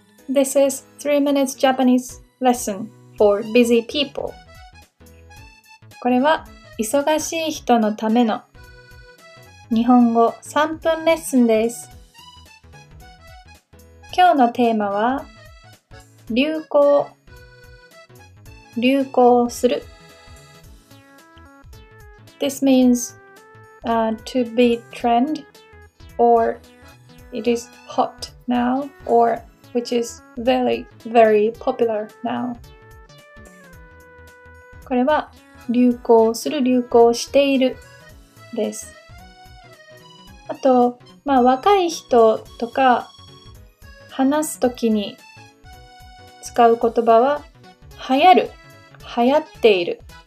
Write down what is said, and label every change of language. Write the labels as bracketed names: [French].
[English] This is 3 minutes Japanese lesson for busy people. [Japanese] これは忙しい人のための日本語3分レッスンです。今日のテーマは流行する。 [English] This means to be trend or it is hot now or which is very, very popular now. [Japanese] これは流行する、流行しているです。あと、まあ若い人とか話すときに使う言葉は流行る、流行っている。